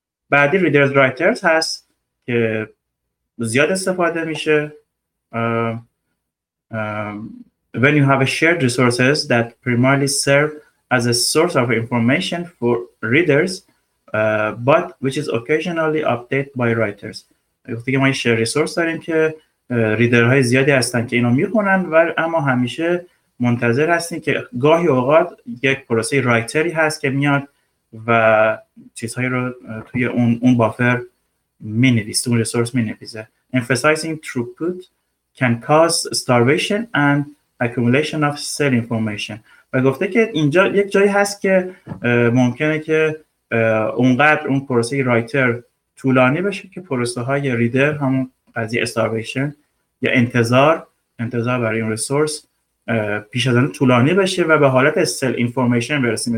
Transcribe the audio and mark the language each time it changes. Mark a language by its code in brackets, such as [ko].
[fa] بعدی ریدرز رایترز هست که زیاد استفاده میشه. [en] When you have a shared resources that primarily serve as a source of information for readers but which is occasionally updated by writers. [fa] وقتی که ما یه شیر ریسورس داریم که ریدرهای زیادی هستن که اینو میخونن، و اما همیشه منتظر هستیم که گاهی اوقات یک پروسه رایتری هست که میاد و چیزهایی رو توی اون بافر مینویسه، اون ریسورس مینویسه. [en] Emphasizing throughput can cause starvation and accumulation of cell information. [fa] و گفته که اینجا یک جایی هست که ممکنه که اونقدر اون پروسه رایتر طولانی بشه که پروسه های ریدر، همون قضیه starvation یا انتظار برای اون ریسورس پیش از اون طولانی بشه و به حالت cell information برسیم.